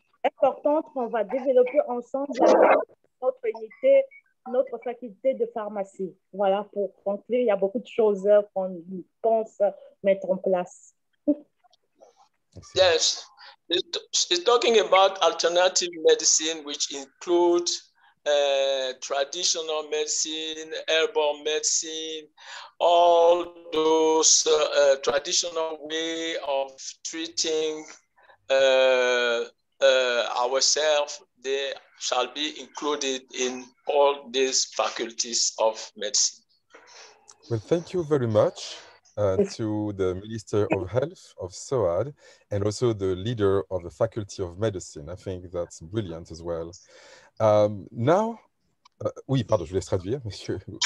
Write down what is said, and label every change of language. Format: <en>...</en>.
<fr>Importante qu'on va développer ensemble avec notre unité, notre faculté de pharmacie. Voilà, pour conclure, il y a beaucoup de choses qu'on pense mettre en place.</fr> <en>Yes. She's talking about alternative medicine, which includes traditional medicine, herbal medicine, all those traditional way of treating ourselves. They shall be included in all these faculties of medicine. Well, thank you very much. To the Minister of Health of SOAD and also the leader of the Faculty of Medicine. I think that's brilliant as well.</en> <fr>Now, oui, pardon, je vous laisse traduire, monsieur.</fr>